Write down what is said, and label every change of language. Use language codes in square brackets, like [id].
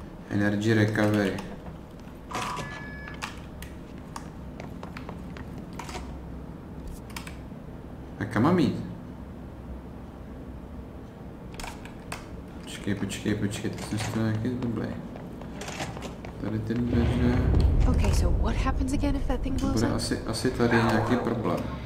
[en] Energy recovery. [cs] A kam mám jít? Počkej, to jsem si to nějaký zblblej. Tady ty dveře. [en] Okay, so what happens again if that thing blows up? [cs] Bude asi tady nějaký problém.